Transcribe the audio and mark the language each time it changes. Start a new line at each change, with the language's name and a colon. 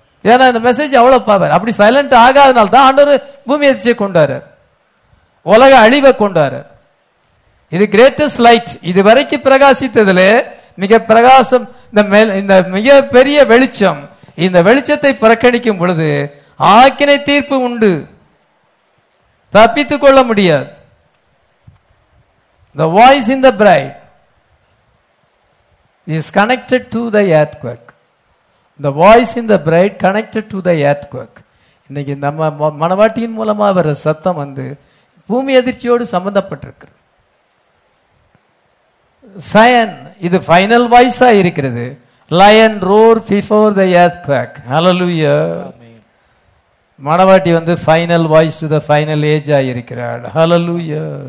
Tamil: ஏன்னா இந்த மெசேஜ் அவ்வளவு பாவர். அப்படி சைலண்ட் ஆகாதனால தான் ஆண்டவர் பூமி எதிர்ச்சியை கொண்டாரு, உலக அழிவை கொண்டாரு. இது கிரேட்டஸ்ட் லைட். இது வரைக்கும் பிரகாசித்ததுல மிக பிரகாசம், இந்த மிக பெரிய வெளிச்சம். இந்த வெளிச்சத்தை புறக்கணிக்கும் பொழுது ஆக்கினை தீர்ப்பு உண்டு, தப்பித்துக் கொள்ள முடியாது.
English: The voice in the bride is connected to the earthquake. The voice in the bride connected to the earthquake.
Tamil: இன்னைக்கு நம்ம மனவாட்டியின் மூலமா வர சத்தம் வந்து பூமி அதிர்ச்சியோடு சம்பந்தப்பட்டிருக்கிறது. சயன், இது ஃபைனல் வாய்ஸா இருக்கிறது.
English: Lion roar before the earthquake.
Tamil: Hallelujah. மனவாட்டி வந்து final voice to the final age ஆயிருக்கிறாள். Hallelujah.